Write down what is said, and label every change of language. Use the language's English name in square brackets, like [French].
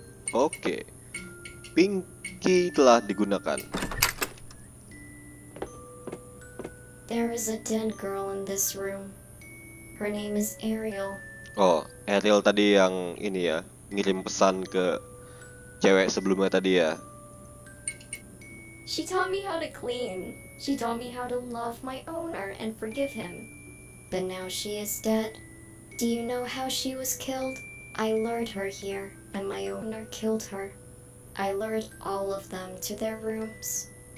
[Indonesian] Oke, Pinky telah digunakan. [English] There is a dead girl in this room. Her name is Ariel. [Indonesian] Oh, Ariel tadi yang ini ya, ngirim pesan ke cewek sebelumnya tadi ya. [English] She taught me how to clean. She taught me how to love my owner and forgive him. But now she is dead. Do you know how she was killed? I lured her here, and my owner killed her. I lured all of them to their rooms.